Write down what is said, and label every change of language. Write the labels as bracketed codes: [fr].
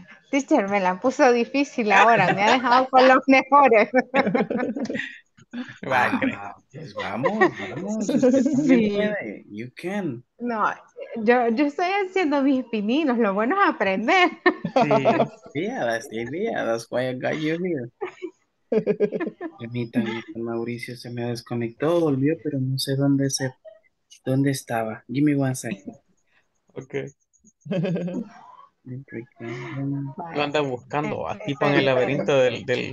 [es] Teacher, me la puso difícil ahora, me ha dejado con los mejores. Vamos. Sí. [en] You can. [es] No, yo estoy haciendo mis pininos, lo bueno es aprender. [en] Sí, yeah, that's the idea, that's why I got you here. [es] Permítanme, Mauricio se me desconectó, volvió, pero no sé dónde estaba. [en] Give me one second. Okay. [es] Lo andan buscando, así en el laberinto del...